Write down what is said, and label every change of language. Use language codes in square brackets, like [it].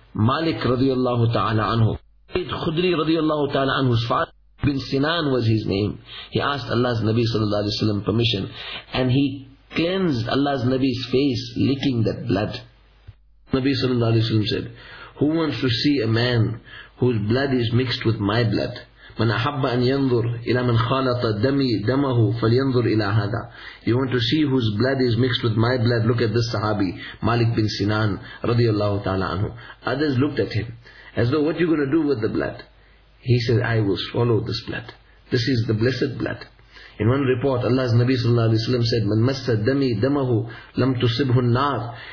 [en] Malik radiyallahu ta'ala anhu. Khudri radiyallahu ta'ala anhu's father. Bin Sinan was his name. He asked Allah's Nabi sallallahu alayhi wa sallam permission. And he cleansed Allah's Nabi's face, licking that blood. Nabi sallallahu alayhi wa sallam said, who wants to see a man whose blood is mixed with my blood? [ar] من أحب أن ينظر إلى من خالط دمي دمه فلينظر إلى هذا. [en] You want to see whose blood is mixed with my blood? Look at this sahabi, Malik bin Sinan رضي الله تعالى عنه. Others looked at him as though, what are you going to do with the blood? He said, I will swallow this blood. This is the blessed blood. In one report, Allah's Nabi sallallahu alayhi wa sallam said, [ar] من مس دمي دمه لم تصبه النار.